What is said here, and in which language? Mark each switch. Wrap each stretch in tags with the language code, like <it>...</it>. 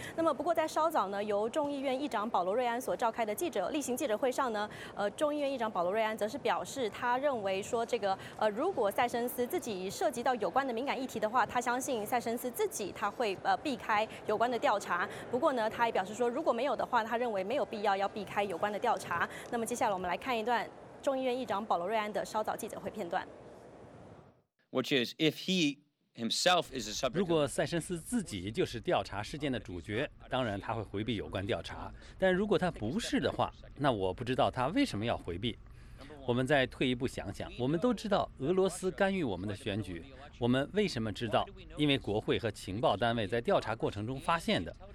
<zh>那么不过在稍早呢，由众议院议长保罗瑞安所召开的例行记者会上呢，众议院议长保罗瑞安则是表示，他认为说这个如果塞申斯自己涉及到有关的敏感议题的话，他相信塞申斯自己他会避开有关的调查。不过呢，他也表示说如果没有的话，他认为没有必要要避开有关的调查。那么接下来我们来看一段众议院议长保罗瑞安的稍早记者会片段。</zh> <en>Which is, if he himself is a subject.</en> <zh>如果塞申斯自己就是调查事件的主角，当然他会回避有关调查。但如果他不是的话，那我不知道他为什么要回避。我们再退一步想想，我们都知道俄罗斯干预我们的选举。我们为什么知道？因为国会和情报单位在调查过程中发现的。</zh>